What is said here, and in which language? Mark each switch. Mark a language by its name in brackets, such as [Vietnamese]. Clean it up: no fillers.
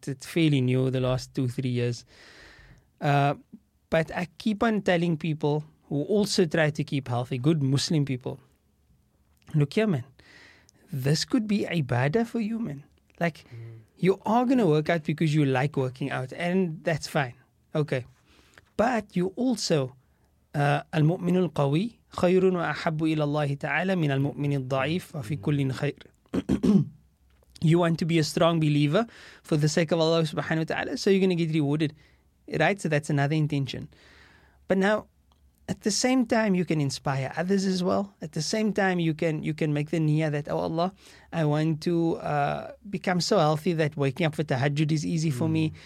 [English] It's fairly new the last 2-3 years. But I keep on telling people who also try to keep healthy, good Muslim people, look here, man. This could be ibadah for you, man. Like, you are going to work out because you like working out, and that's fine. Okay. But you also, [Arabic] المؤمن القوي خير وأحب إلى الله تعالى من المؤمن الضعيف وفي كل خير. [English] You want to be a strong believer for the sake of Allah subhanahu wa ta'ala, so you're going to get rewarded, right? So that's another intention. But now, at the same time, you can inspire others as well. At the same time, you can make the niyyah that, oh Allah, I want to become so healthy that waking up for tahajjud is easy for me.